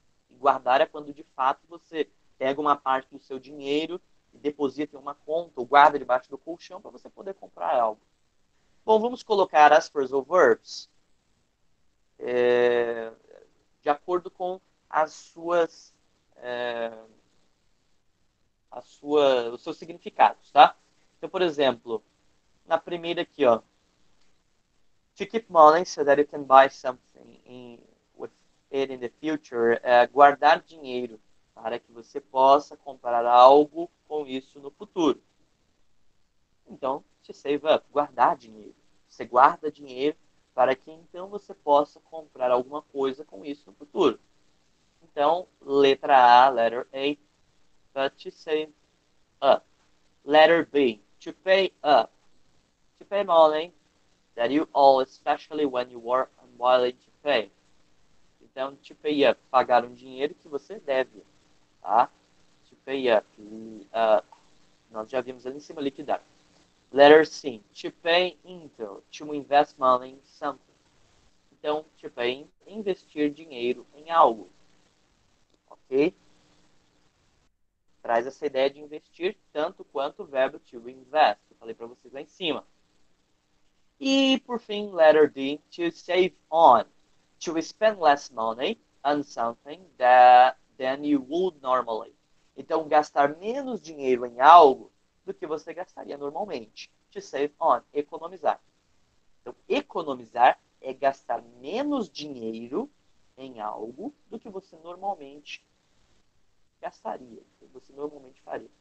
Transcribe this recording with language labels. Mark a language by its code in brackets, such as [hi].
[pt] E guardar é quando, de fato, você pega uma parte do seu dinheiro e deposita em uma conta ou guarda debaixo do colchão para você poder comprar algo. Bom, vamos colocar as phrasal verbs de acordo com os seus significados, tá? Então, por exemplo, na primeira aqui, ó. [en] To keep money so that you can buy something with it in the future. [pt] É guardar dinheiro para que você possa comprar algo com isso no futuro. Então, to save up, guardar dinheiro. Você guarda dinheiro para que então você possa comprar alguma coisa com isso no futuro. Então, letra A, [en] letter A, but to save up. Letter B, to pay up. To pay money. That you owe, especially when you are unwilling to pay. [pt] Então, to pay up, pagar um dinheiro que você deve, tá? To pay up, nós já vimos ali em cima, liquidar. [en] Letter C, to pay into, to invest money in something. [pt] Então, to pay, investir dinheiro em algo, ok? Traz essa ideia de investir tanto quanto o verbo to invest, que eu falei para vocês lá em cima. E, por fim, [en] letter D, to save on, to spend less money on something than you would normally. [pt] Então, gastar menos dinheiro em algo do que você gastaria normalmente. To save on, economizar. Então, economizar é gastar menos dinheiro em algo do que você normalmente gastaria, do que você normalmente faria.